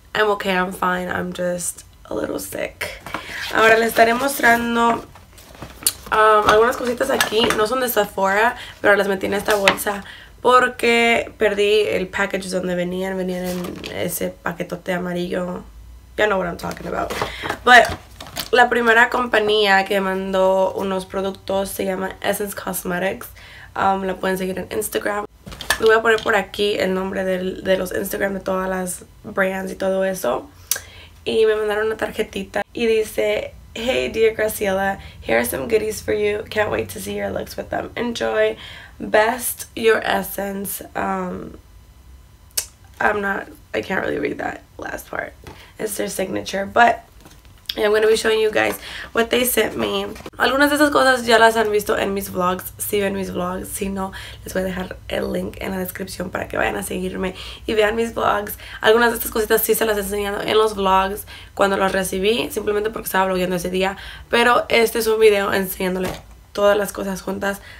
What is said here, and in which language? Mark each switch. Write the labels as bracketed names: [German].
[English] I'm okay, I'm fine, I'm just a little sick. [Spanish] Ahora les estaré mostrando algunas cositas aquí, no son de Sephora, pero las metí en esta bolsa porque perdí el package donde venían en ese paquetote amarillo. [English] You know what I'm talking about. [Spanish] Bueno, la primera compañía que mandó unos productos se llama Essence Cosmetics. La pueden seguir en Instagram. Le voy a poner por aquí el nombre de los Instagram de todas las brands y todo eso. Y me mandaron una tarjetita y dice: [English] "Hey, dear Graciela, here are some goodies for you. Can't wait to see your looks with them. Enjoy. Best, your essence." I can't really read that last part. It's their signature, but I'm going to be showing you guys what they sent me. [Spanish] Algunas de esas cosas ya las han visto en mis vlogs. Si ven mis vlogs, si no, les voy a dejar el link en la descripción para que vayan a seguirme y vean mis vlogs. Algunas de estas cositas sí se las he enseñado en los vlogs cuando las recibí, simplemente porque estaba vlogueando ese día. Pero este es un video enseñándole todas las cosas juntas.